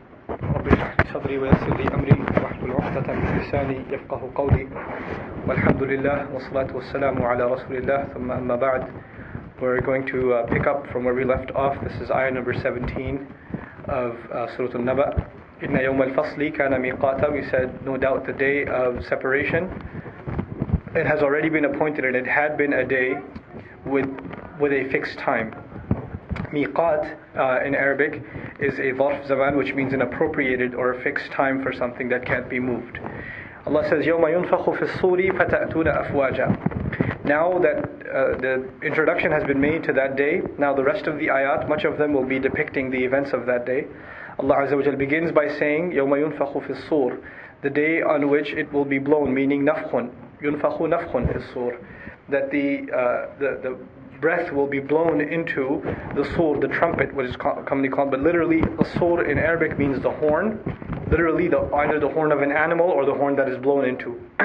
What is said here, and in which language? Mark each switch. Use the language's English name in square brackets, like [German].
[Arabic] رب اشرح لي صدري ويسر لي أمري واحلل عقدة من لساني يفقه قولي والحمد لله والصلاة والسلام على رسول الله ثم أما بعد. [English] We're going to pick up from where we left off. This is ayah number 17 of Surah An-Naba. [Arabic] إِنَّ يَوْمَ الْفَصْلِ كَانَ مِيقَاتًا. [English] We said, no doubt, the day of separation. It has already been appointed, and it had been a day with a fixed time. Miqat in Arabic is a ظرف زمان, which means an appropriated or a fixed time for something that can't be moved. Allah says, [Arabic] يَوْمَ يُنْفَخُ فِي الصُّورِ فَتَأْتُونَ أَفْوَاجًا. [English] Now that the introduction has been made to that day, now the rest of the ayat, much of them will be depicting the events of that day. Allah Azza wa Jal begins by saying, [Arabic] يَوْمَ يُنْفَخُ فِي الصُّورِ, [English] the day on which it will be blown, meaning [Arabic] نَفْخٌ, يُنْفَخُ نَفْخٌ فِي الصُّورِ, [English] that the breath will be blown into the sur, the trumpet, which is commonly called, but literally a sur in Arabic means the horn, literally the either the horn of an animal or the horn that is blown into.